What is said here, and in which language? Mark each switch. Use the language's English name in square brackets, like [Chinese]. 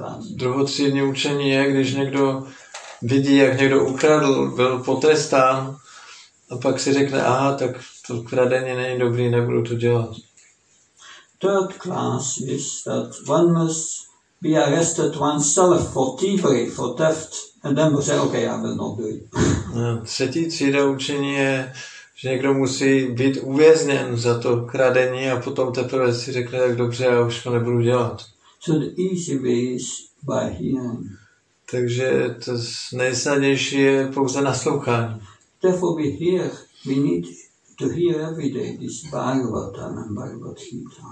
[Czech] Druhotřídní učení je, když někdo vidí, jak někdo ukradl, byl potrestán, a pak si řekne, aha, tak to kradení není dobrý, nebudu to dělat. [English] Third class is that one must be arrested oneself for thievery, for theft, and then will say, okay, I will not do it. [Czech] Třetí třída učení je, že někdo musí být uvězněn za to kradení a potom teprve si řekne, tak dobře, já už to nebudu dělat. [English] So the easy way is by hearing. [Czech] Takže to nejsnadnější je pouze naslouchání. [English] Therefore we hear, we need to hear every day this Bhagavatam and Bhagavad Gita.